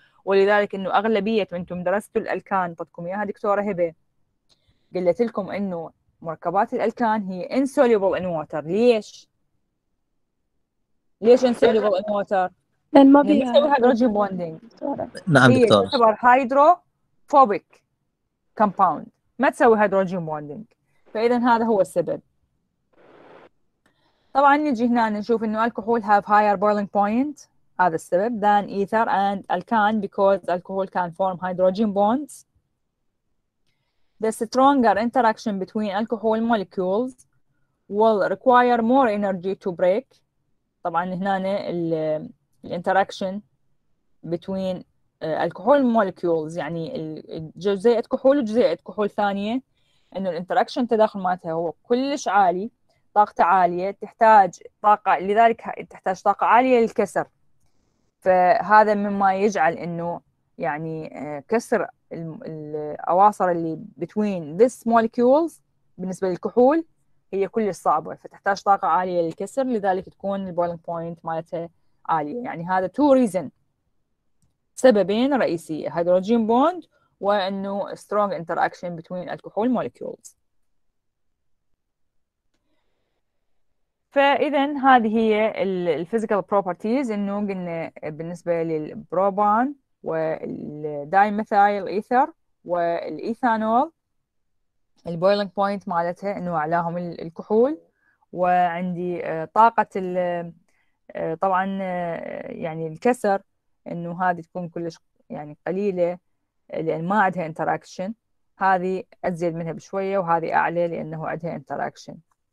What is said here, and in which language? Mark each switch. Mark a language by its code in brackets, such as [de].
[ar] ولذلك انه اغلبيه وانتم درستوا الالكان طبتكم اياها دكتوره هبه قلت لكم انه مركبات الالكان هي انسوليبل ان ووتر. ليش؟ ليش انسوليبل ان ووتر؟ لان ما بيسوي هيدروجين بوندينج. نعم دكتور، هي تعتبر هيدروفوبيك كومباوند، ما تسوي هيدروجين بوندينج. فاذا هذا هو السبب. طبعا نجي هنا نشوف انه الكحول [en] have higher boiling point [ar] هذا السبب [en] than ether and alkan because alcohol can form hydrogen bonds. The stronger interaction between alcohol molecules will require more energy to break. [ar] طبعا هنا ال [en] interaction between alcohol molecules [ar] يعني جزيئة كحول وجزيئة كحول ثانية انه ال interaction تداخل مالتها هو كلش عالي، طاقته عالية، تحتاج طاقة، لذلك تحتاج طاقة عالية للكسر، فهذا مما يجعل انه يعني كسر الأواصر اللي [en] between this molecules [ar] بالنسبة للكحول هي كلش صعبة، فتحتاج طاقة عالية للكسر، لذلك تكون ال boiling point مالتها عالية. يعني هذا [en] two reason، [ar] سببين رئيسية، [en] hydrogen bond [ar] وأنه [en] strong interaction between alcohol molecules. [ar] فإذا هذه هي ال physical properties، أنه قلنا بالنسبة للبروبان والدايميثايل ايثر والايثانول ال boiling point مالتها انه اعلاهم الكحول، وعندي طاقة ال طبعا يعني الكسر انه هذه تكون كلش يعني قليلة لان ما عندها interaction، هذه ازيد منها بشوية وهذه اعلى لانه عندها interaction.